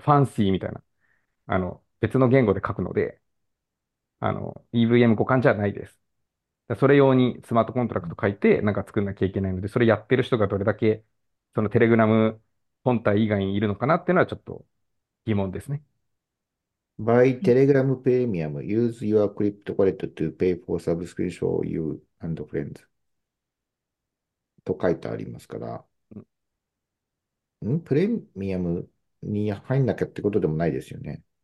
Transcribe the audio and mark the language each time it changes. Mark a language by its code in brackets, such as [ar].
[ja] ファンシーみたいな。別の言語で書くので、EVM 互換じゃないです。それ用にスマートコントラクト書いて、なんか作んなきゃいけないので、それやってる人がどれだけ、そのテレグラム本体以外にいるのかなっていうのはちょっと疑問ですね。 [en] By Telegram Premium, use your crypto wallet to pay for subscription you and friends. [ja] と書いてありますから。ん？プレミアムに入んなきゃってことでもないですよね。